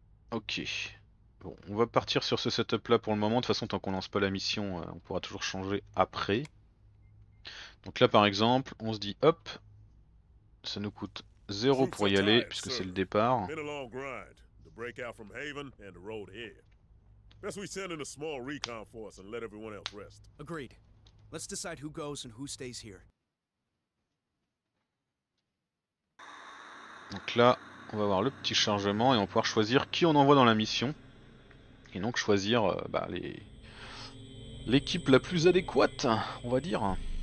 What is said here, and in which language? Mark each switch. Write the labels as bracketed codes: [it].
[fr] Ok. Bon, on va partir sur ce setup-là pour le moment. De toute façon, tant qu'on lance pas la mission, on pourra toujours changer après. Donc là, par exemple, on se dit, hop, ça nous coûte... 0 pour y aller, puisque c'est le départ. [en] Been a long grind to break out from Haven and the road here. Best we send in a small recon force and let everyone else rest. Agreed. Let's decide who goes and who stays here. [fr] Donc là, on va avoir le petit chargement et on va pouvoir choisir qui on envoie dans la mission. Et donc choisir l'équipe la plus adéquate, on va dire.